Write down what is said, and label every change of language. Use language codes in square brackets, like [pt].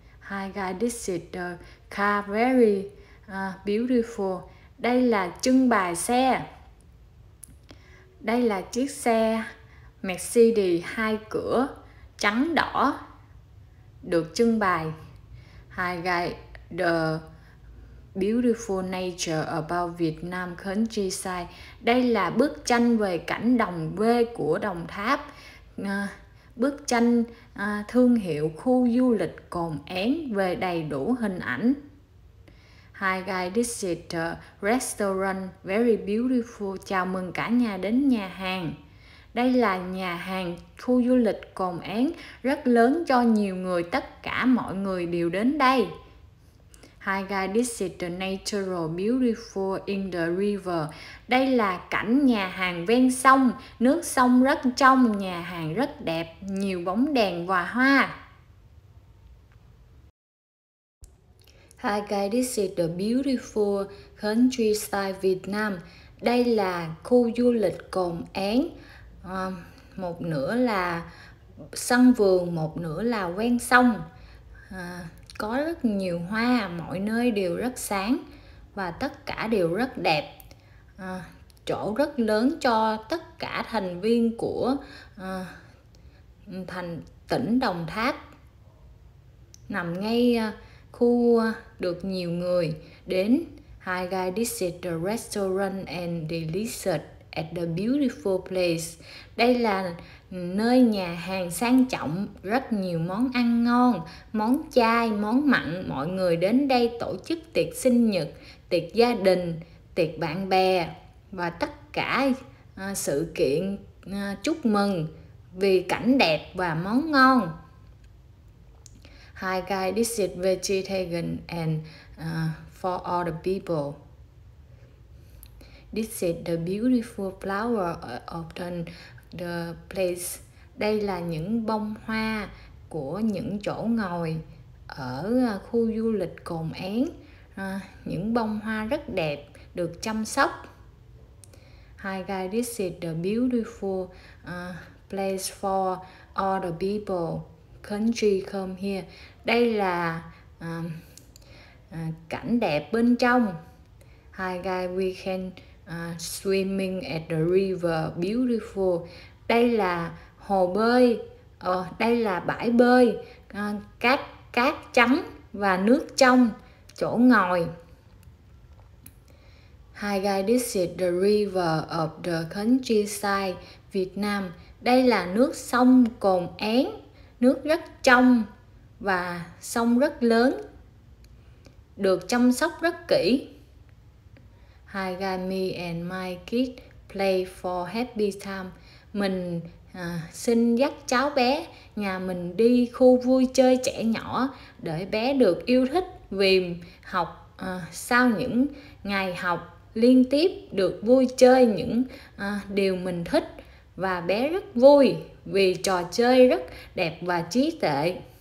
[en] Hi guys, this is the car very beautiful. [vi] Đây là trưng bày xe. Đây là chiếc xe Mercedes hai cửa trắng đỏ được trưng bày. [en] Hi guys, the beautiful nature about Vietnam countryside. [vi] Đây là bức tranh về cảnh đồng quê của Đồng Tháp. Bức tranh thương hiệu khu du lịch Cồn Én về đầy đủ hình ảnh. [en] Hi guys, this is the restaurant very beautiful. [vi] Chào mừng cả nhà đến nhà hàng. Đây là nhà hàng khu du lịch Cồn Én rất lớn cho nhiều người, tất cả mọi người đều đến đây. [en] Hi guys, this is the natural beautiful in the river. [vi] Đây là cảnh nhà hàng ven sông, nước sông rất trong, nhà hàng rất đẹp, nhiều bóng đèn và hoa. [en] Hi guys, this is the beautiful countryside Vietnam. [vi] Đây là khu du lịch Cồn Én. Một nửa là sân vườn, một nửa là ven sông. Có rất nhiều hoa, mọi nơi đều rất sáng và tất cả đều rất đẹp. Chỗ rất lớn cho tất cả thành viên của thành tỉnh Đồng Tháp. Nằm ngay khu được nhiều người đến. [en] Hi guys, this is the restaurant and delicious at the beautiful place. [vi] Đây là nơi nhà hàng sang trọng, rất nhiều món ăn ngon, món chay, món mặn. Mọi người đến đây tổ chức tiệc sinh nhật, tiệc gia đình, tiệc bạn bè và tất cả sự kiện chúc mừng vì cảnh đẹp và món ngon. [en] Hi guys, this is vegetarian and for all the people. This is the beautiful flower of the place. [vi] Đây là những bông hoa của những chỗ ngồi ở khu du lịch Cồn Én. Những bông hoa rất đẹp được chăm sóc. [en] Hi guys, this is the beautiful place for all the people country come here. [vi] Đây là cảnh đẹp bên trong. [en] Hi guys, we can swimming at the river, beautiful. [vi] Đây là hồ bơi, đây là bãi bơi, cát trắng và nước trong, chỗ ngồi. [en] Hi guys, this is the river of the countryside, Vietnam. [vi] Đây là nước sông Cồn Én, nước rất trong và sông rất lớn, được chăm sóc rất kỹ. [en] Hi guys, me and my kid play for happy time. [vi] Mình xin dắt cháu bé nhà mình đi khu vui chơi trẻ nhỏ để bé được yêu thích vì học sau những ngày học liên tiếp được vui chơi những điều mình thích và bé rất vui vì trò chơi rất đẹp và trí tuệ.